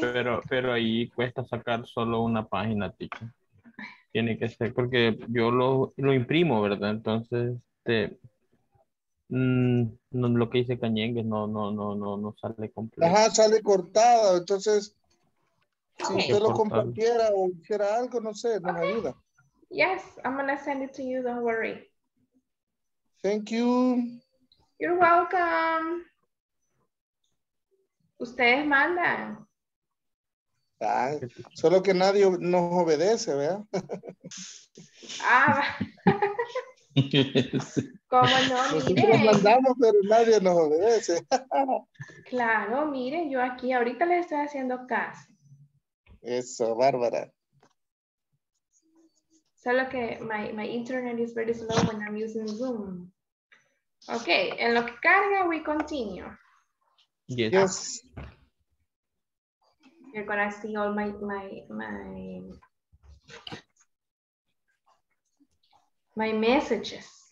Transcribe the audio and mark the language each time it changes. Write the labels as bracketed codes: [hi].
[es] pero ahí cuesta sacar solo una página, tica. Tiene que ser porque yo lo imprimo, ¿verdad? Entonces Este, lo que dice Cañengue no sale completo. Ajá, sale cortado, entonces si usted lo compartiera o hiciera algo, no sé, no me ayuda. [en] Yes, I'm gonna send it to you, don't worry. Thank you. You're welcome. [es] Ustedes mandan. Ah, solo que nadie nos obedece, ¿verdad? Ah. ¿Cómo no? Nosotros miren. Mandamos, pero nadie nos obedece. Claro, miren, yo aquí ahorita les estoy haciendo caso. Eso, Bárbara. Solo que [en] my internet is very slow when I'm using Zoom. [es] Okay, en lo que carga, [en] we continue. Yes. Yes. You're gonna see all my messages.